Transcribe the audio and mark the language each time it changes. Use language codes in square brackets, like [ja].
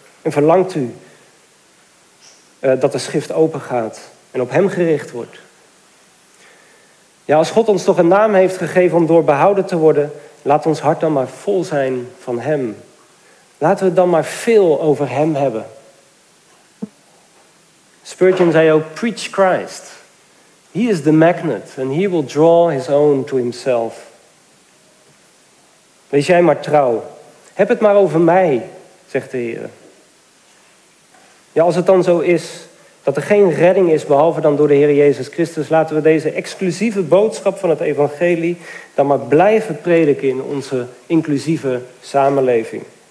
[nl] En verlangt u dat de schrift opengaat en op hem gericht wordt. Ja, als God ons toch een naam heeft gegeven om door behouden te worden, laat ons hart dan maar vol zijn van hem. Laten we dan maar veel over hem hebben. Spurgeon zei ook: [en] "Preach Christ. He is the magnet and he will draw his own to himself." [nl] Wees jij maar trouw. Heb het maar over mij, zegt de Heer. Ja, als het dan zo is dat er geen redding is behalve dan door de Heer Jezus Christus, laten we deze exclusieve boodschap van het evangelie dan maar blijven prediken in onze inclusieve samenleving.